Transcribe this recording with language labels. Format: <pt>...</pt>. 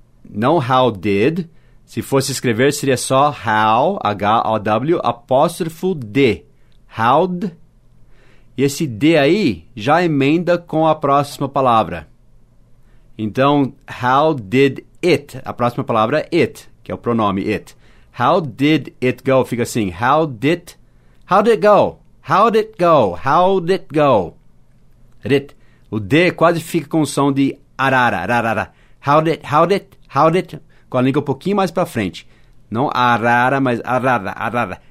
<pt>Não</pt> <en>how did,</en> <pt>se fosse escrever, seria só how, H-O-W, apóstrofo D, how'd. E esse D aí já emenda com a próxima palavra. Então, how did it? A próxima palavra é it, que é o pronome it.</pt> <en>How did it go?</en> <pt>Fica assim,</pt> <en>how did it go? How did it go? How did it go? It,</en> <pt>O D quase fica com o som de arara, arara.</pt> <en>How did,</en> <pt>com a língua um pouquinho mais para frente. Não arara, mas arara, arara.</pt>